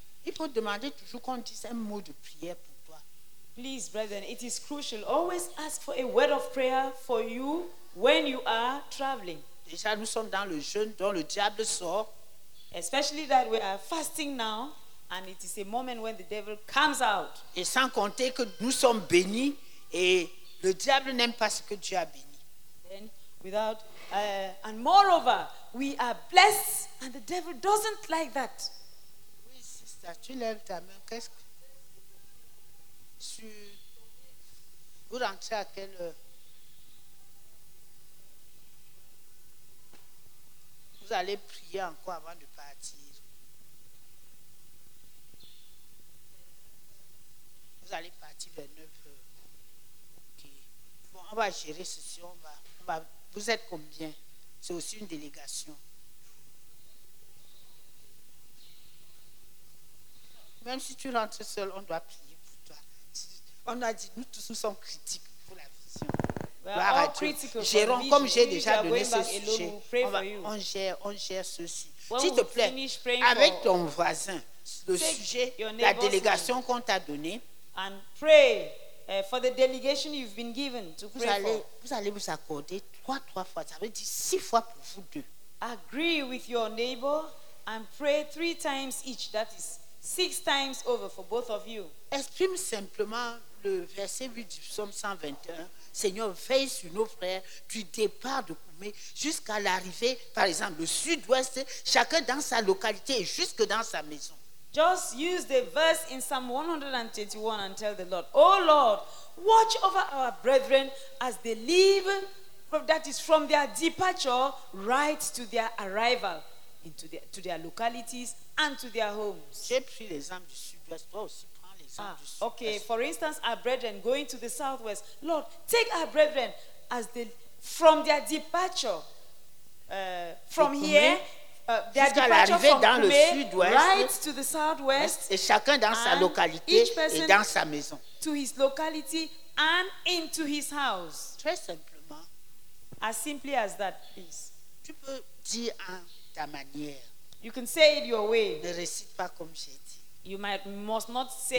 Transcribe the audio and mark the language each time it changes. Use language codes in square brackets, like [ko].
[fr] Il faut demander toujours qu'on dise un mot de prière pour toi. [en] Please, brethren, it is crucial. Always ask for a word of prayer for you when you are traveling. [fr] Déjà, nous sommes dans le jeûne dont le diable sort. [en] Especially that we are fasting now, and it is a moment when the devil comes out. [fr] Et sans compter que nous sommes bénis et le diable n'aime pas ce que Dieu a béni. [en] Then, without and moreover, we are blessed, and the devil doesn't like that. [fr] Oui, c'est ça. Tu lèves ta main. Qu'est-ce que tu vous rentrez à quelle heure? Vous allez prier encore avant de partir. Vous allez partir vers 9h. Okay. Bon, on va gérer ceci. On va. Vous êtes combien? C'est aussi une délégation. Même si tu rentres seul, on doit prier pour toi. On a dit, nous tous nous sommes critiques pour la vision. Gérons, comme j'ai déjà donné ce sujet, on gère ceci. S'il te plaît, avec ton voisin, le sujet, la délégation qu'on t'a donnée, [en] and pray for the delegation you've been given to pray for. [fr] Vous allez vous accorder trois fois, ça veut dire six fois pour vous deux. [en] Agree with your neighbor and pray three times each, that is six times over for both of you. [fr] Exprime simplement le verset 8 du psaume 121. Seigneur, veille sur nos frères du départ de Koumé jusqu'à l'arrivée, par exemple, le sud-ouest, chacun dans sa localité et jusque dans sa maison. [en] Just use the verse in Psalm 121 and tell the Lord, O Lord, watch over our brethren as they leave, that is from their departure right to their arrival into to their localities and to their homes. [fr] J'ai pris l'exemple du sud-ouest, toi aussi. [en] Okay, for instance, our brethren going to the southwest. Lord, take our brethren as they from their departure from here, right to the southwest, [fr] et chacun dans sa localité et dans sa maison, [en] to his locality and into his house. [fr] Très simplement, [en] as simply as that, please. [fr] Tu peux dire en ta manière. [en] You can say it your way. [fr] Ne récite pas comme j'ai dit. [en] You might must not say